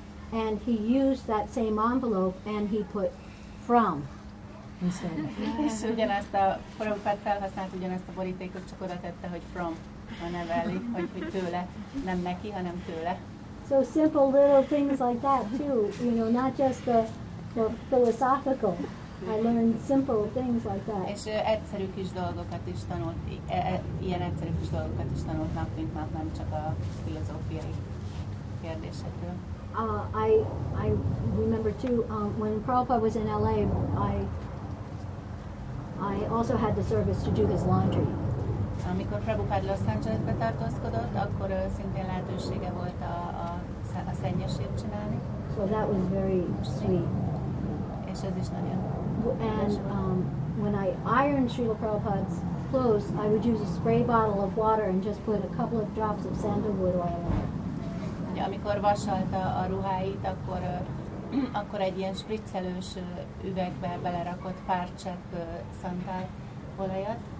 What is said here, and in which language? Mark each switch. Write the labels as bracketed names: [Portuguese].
[English] And he used that same envelope and he put from? He said. [Hungarian] És ugyanezt a Prabhupád felhasznált ugyanezt a borítékot, csak oda tette, hogy from a neve elé, hogy tőle, nem neki, hanem tőle. [English] So simple little things like that too, you know, not just the philosophical. I learned simple things like that. [Hungarian] És egyszerű kis dolgokat is tanult, ilyen egyszerű kis dolgokat is tanult nap, mint nap, nem csak a filozófiai kérdésekről. [English] I remember too, when Prabhupada was in LA, I also had the service to do his laundry. [Hungarian] Amikor Prabhupada Los Angelesbe tartózkodott, akkor szintén lehetősége volt a szennyesét csinálni. [English] So that was very sweet. [Hungarian] És ez is nagyon. [English] And when I ironed Srila Prabhupada's clothes, I would use a spray bottle of water and just put a couple of drops of sandalwood oil in it. [Hungarian] Ja, amikor vasalta a ruháit, akkor akkor egy ilyen spriccelős üvegbe belerakott pár csepp szantál olajat.